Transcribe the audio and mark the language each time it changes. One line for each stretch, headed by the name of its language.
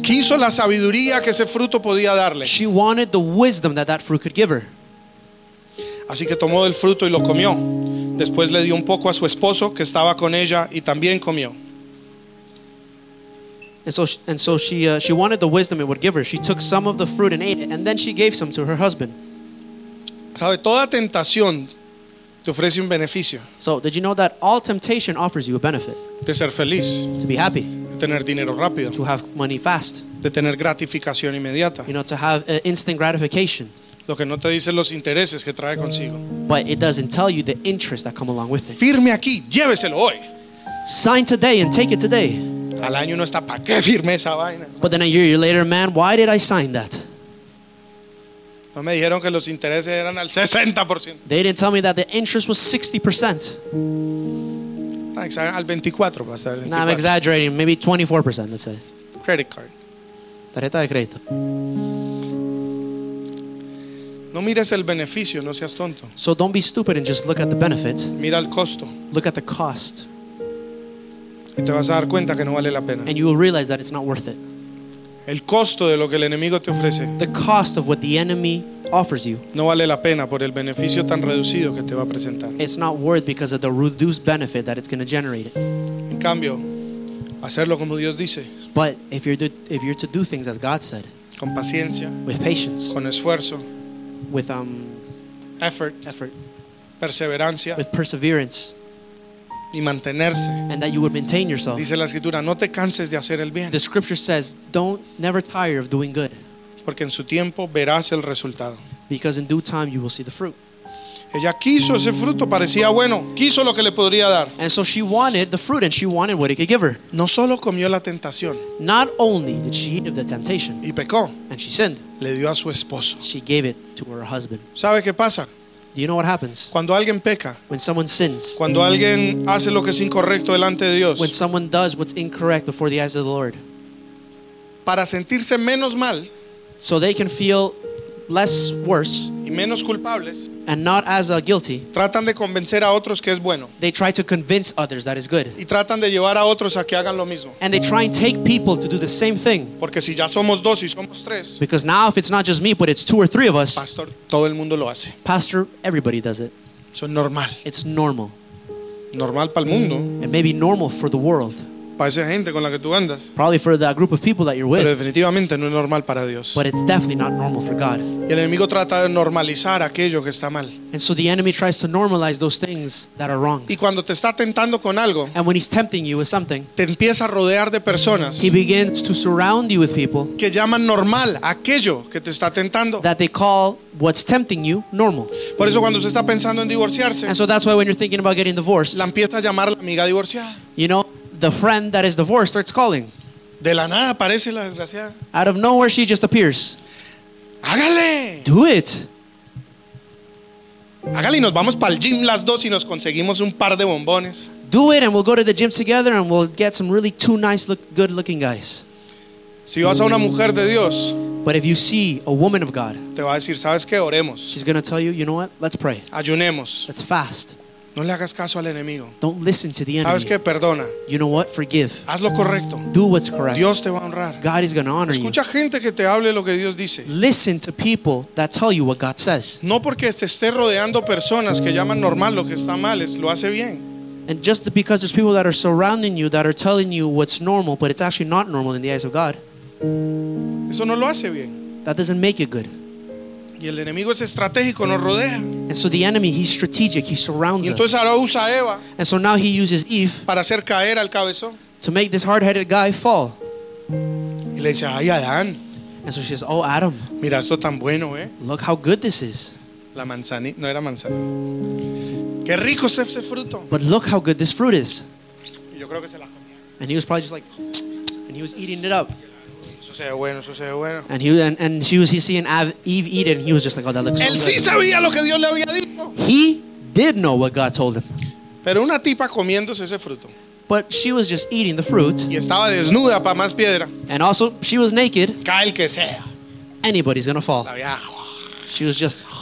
Spanish: Quiso la sabiduría que ese fruto podía darle.
English: She wanted the wisdom that that fruit could give her.
Spanish: Así que tomó del fruto y lo comió. Después le dio un poco a su esposo que estaba con ella y también comió.
English: And so she wanted the wisdom it would give her. She took some of the fruit and ate it, and then she gave some to her husband.
Spanish: Sabe, toda tentación te ofrece un beneficio.
English: So, did you know that all temptation offers you a benefit?
Spanish: De ser feliz.
English: To be happy.
Spanish: De tener dinero rápido.
English: To have money fast.
Spanish: De tener gratificación inmediata.
English: You know, to have instant gratification.
Spanish: Lo que no te dicen los intereses que trae consigo.
English: But it doesn't tell you the interest that come along with it.
Spanish: Firme aquí, lléveselo hoy.
English: Sign today and take it today.
Spanish: Al año no está pa' qué firme esa vaina.
English: But then a year later, man, why did I sign that?
Spanish: No me dijeron que los intereses eran al 60%.
English: They didn't tell me that the interest was 60%.
Spanish: Al 24, pastor.
English: No, I'm exaggerating. Maybe 24%, let's say. Credit card.
Spanish: Tarjeta de crédito. No mires el beneficio, no seas tonto.
English: So don't be stupid and just look at the benefit.
Spanish: Mira el costo.
English: Look at the cost.
Spanish: Y te vas a dar cuenta que no vale la pena.
English: And you will realize that it's not worth it.
Spanish: El costo de lo que el enemigo te ofrece.
English: The cost of what the enemy offers you.
Spanish: No vale la pena por el beneficio tan reducido que te va a presentar.
English: It's not worth because of the reduced benefit that it's going to generate.
Spanish: En cambio, hacerlo como Dios dice.
English: But if you're to do things as God said.
Spanish: Con paciencia.
English: With patience.
Spanish: Con esfuerzo.
English: With effort.
Spanish: Perseverancia.
English: With perseverance.
Spanish: Y mantenerse.
English: And that you would maintain yourself.
Spanish: Dice la escritura, no te canses de hacer el bien.
English: The scripture says, don't never tire of doing good.
Spanish: Porque en su tiempo verás el resultado.
English: Because in due time you will see the fruit.
Spanish: Ella quiso ese fruto, parecía bueno, quiso lo que le podría dar.
English: And so she wanted the fruit and she wanted what he could give her.
Spanish: No solo comió la tentación.
English: Not only did she eat of the temptation.
Spanish: Y pecó.
English: And she sinned.
Spanish: Le dio a su esposo.
English: She gave it to her husband.
Spanish: ¿Sabe qué pasa?
English: Do you know what happens?
Spanish: Cuando alguien peca.
English: When someone sins.
Spanish: Cuando alguien hace lo que es incorrecto delante de Dios.
English: When someone does what's incorrect before the eyes of the Lord.
Spanish: Para sentirse menos mal.
English: So they can feel less worse.
Spanish: Y menos culpables.
English: And not as a guilty.
Spanish: Tratan de convencer a otros que es bueno.
English: They try to convince others that it's good.
Spanish: Y tratan de llevar a otros a que hagan lo mismo.
English: And they try and take people to do the same thing.
Spanish: Porque si ya somos dos y somos tres.
English: Because now if it's not just me, but it's two or three of us.
Spanish: Pastor, todo el mundo lo hace.
English: Pastor, everybody does it.
Spanish: Eso es normal.
English: It's normal.
Spanish: Normal para el mundo.
English: It may be normal for the world.
Spanish: Para esa gente con la que tú andas.
English: Probably for that group of people that you're with.
Spanish: Pero definitivamente no es normal para Dios.
English: But it's definitely not normal for God.
Spanish: Y el enemigo trata de normalizar aquello que está mal.
English: And so the enemy tries to normalize those things that are wrong.
Spanish: Y cuando te está tentando con algo.
English: And when he's tempting you with something.
Spanish: Te empieza a rodear de personas.
English: He begins to surround you with people.
Spanish: Que llaman normal aquello que te está tentando.
English: That they call what's tempting you normal.
Spanish: Por eso cuando se está pensando en divorciarse.
English: And so that's why when you're thinking about getting divorced.
Spanish: La empieza a llamar la amiga divorciada.
English: You know. The friend that is divorced starts calling.
Spanish: De la nada aparece la desgraciada.
English: Out of nowhere she just appears.
Spanish: Hágale.
English: Do it.
Spanish: Hágale y nos vamos para el gym las dos y nos conseguimos un par de bombones.
English: Do it and we'll go to the gym together and we'll get some really two nice look, good looking guys.
Spanish: Si vas a una mujer de Dios.
English: But if you see a woman of God.
Spanish: Te va a decir, ¿sabes qué? Oremos.
English: She's going to tell you, you know what? Let's pray.
Spanish: Ayunemos.
English: Let's fast.
Spanish: No le hagas caso al enemigo.
English: Don't listen to the enemy.
Spanish: ¿Sabes qué? Perdona.
English: You know what? Forgive.
Spanish: Haz lo correcto.
English: Do what's correct.
Spanish: Dios te va a honrar.
English: God is going to honor you.
Spanish: Escucha gente que te hable lo que Dios dice.
English: Listen to people that tell you what God says.
Spanish: No porque te esté rodeando personas que llaman normal lo que está mal, lo hace bien.
English: And just because there's people that are surrounding you that are telling you what's normal, but it's actually not normal in the eyes of God.
Spanish: Eso no lo hace bien.
English: That doesn't make it good.
Spanish: Y el enemigo es estratégico, nos rodea.
English: And so the enemy, he's strategic, he surrounds
Spanish: y entonces Ahora usa a Eva.
English: And so now he uses Eve.
Spanish: Para hacer caer al cabezón.
English: To make this hard-headed guy fall.
Spanish: Y le dice, ay, Adán.
English: And so she says, oh, Adam.
Spanish: Mira esto tan bueno,
English: Look how good this is.
Spanish: La manzanita, no era manzana. Qué rico es ese fruto.
English: But look how good this fruit is.
Spanish: Y yo creo que se la comía.
English: And he was probably just like, and he was eating it up.
Spanish: Bueno, bueno.
English: And he was seeing Eve eat it, and he was just like, oh, that looks
Spanish: él
English: so good.
Spanish: Sí sabía lo que Dios le había dicho.
English: He did know what God told him.
Spanish: Pero una tipa comiéndose ese fruto.
English: But she was just eating the fruit.
Spanish: Y estaba desnuda para más piedra.
English: And also, she was naked.
Spanish: Cae el que sea.
English: Anybody's gonna fall.
Spanish: La había...
English: She was just.